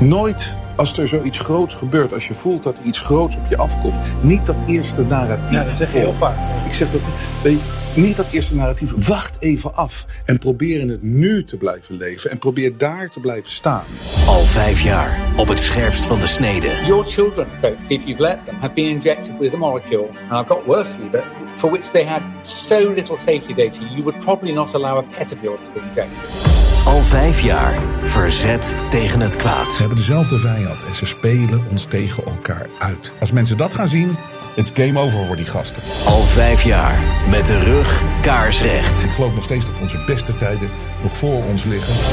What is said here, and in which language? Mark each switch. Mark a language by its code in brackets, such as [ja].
[nl] Nooit als er zoiets groots gebeurt, als je voelt dat iets groots op je afkomt. Niet dat eerste narratief. Ja, dat zeg je heel vaak. Ik zeg dat niet dat eerste narratief. Wacht even af en probeer in het nu te blijven leven. En probeer daar te blijven staan. Al 5 jaar op het scherpst van de snede. [en] Your children, folks, if you've let them, have been injected with a molecule. And I've got worse for you, but for which they had so little safety data. You would probably not allow a pet of yours to be injected. [nl] Al 5 jaar verzet tegen het kwaad. Ze hebben dezelfde vijand en ze spelen ons tegen elkaar uit. Als mensen dat gaan zien, het is game over voor die gasten. Al 5 jaar met de rug kaarsrecht. Ik geloof nog steeds dat onze beste tijden nog voor ons liggen.